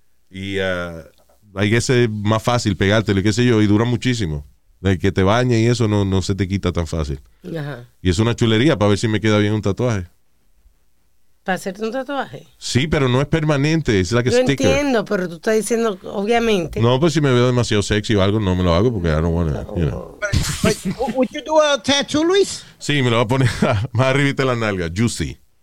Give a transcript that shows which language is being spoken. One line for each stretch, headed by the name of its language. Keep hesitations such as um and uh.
Spanish: Y hay que ser más fácil pegártelo, y qué sé yo, y dura muchísimo. De que te bañe y eso no, no se te quita tan fácil. Ajá. Y es una chulería para ver si me queda bien un tatuaje. Para hacerte un tatuaje. Sí, pero no es permanente, es
English: like a
Spanish: Yo
English: sticker.
Spanish: entiendo, pero tú estás diciendo, obviamente. No, pues si me veo demasiado sexy o algo, no me lo hago porque
English: I don't wanna, you know. But would you do a tattoo, Luis?
Spanish: Sí, me lo voy a poner más arribita de la nalga, juicy.